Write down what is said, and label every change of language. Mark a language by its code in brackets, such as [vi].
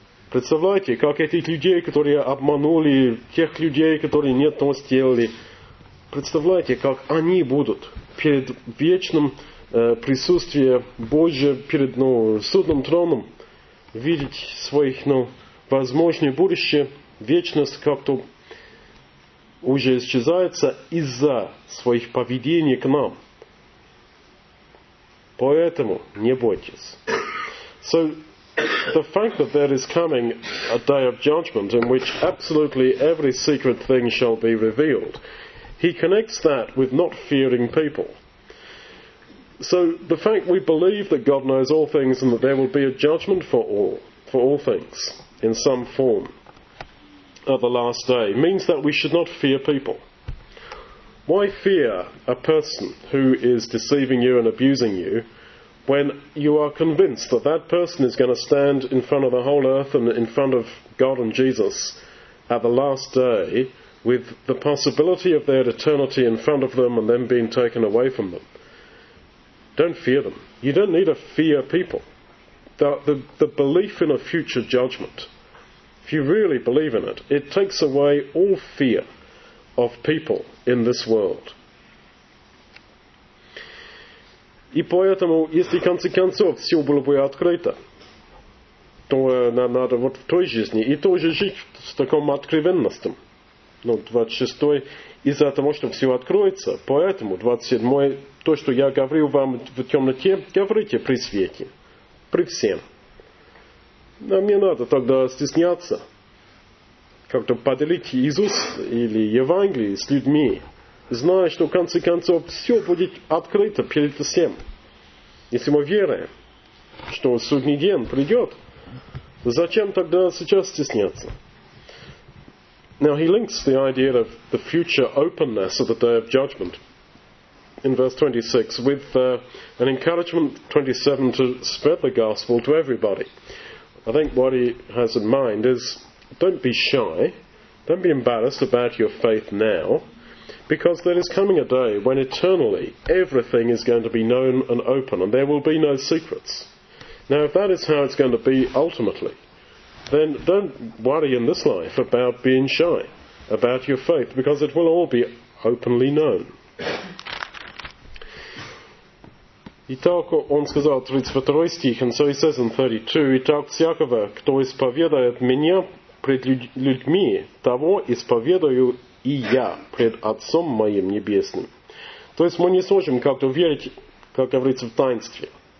[ru] Представляете, как этих людей, которые обманули, тех людей, которые не то сделали, представляете, как они будут перед вечным присутствием Божьим, перед судным троном, видеть своих, возможное будущее, вечность как-то уже исчезается из-за своих поведений к нам. Поэтому не бойтесь. [en] So, the fact that there is coming a day of judgment in which absolutely every secret thing shall be revealed, he connects that with not fearing people. So the fact we believe that God knows all things and that there will be a judgment for all things, in some form, at the last day, means that we should not fear people. Why fear a person who is deceiving you and abusing you when you are convinced that that person is going to stand in front of the whole earth and in front of God and Jesus at the last day with the possibility of their eternity in front of them and then being taken away from them? Don't fear them. You don't need to fear people. The belief in a future judgment, if you really believe in it, it takes away all fear of people in this world. [ru] И поэтому, если в конце концов все было бы открыто, то нам надо вот в той жизни и тоже жить с таком откровенностью. 26-й, из-за того, что все откроется, поэтому 27-й, то, что я говорил вам в темноте, говорите при свете, при всем. Нам не надо тогда стесняться, как-то поделить Иисус или Евангелие с людьми, зная, что в конце концов все будет открыто перед всем. Если мы верим, что судный день придет, зачем тогда сейчас стесняться? [en] Now he links the idea of the future openness of the day of judgment in verse 26 with an encouragement, 27, to spread the gospel to everybody. I think what he has in mind is, don't be shy, don't be embarrassed about your faith now, because there is coming a day when eternally everything is going to be known and open, and there will be no secrets. Now, if that is how it's going to be ultimately, then don't worry in this life about being shy about your faith, because it will all be openly known. [ru] Итак, он сказал 32 стих, [en] and so he says in 32, [ru] «Итак, всякого, кто исповедает меня пред людьми, того исповедую и я пред Отцом моим Небесным». То есть мы не сможем как-то верить, как говорится, в таинстве.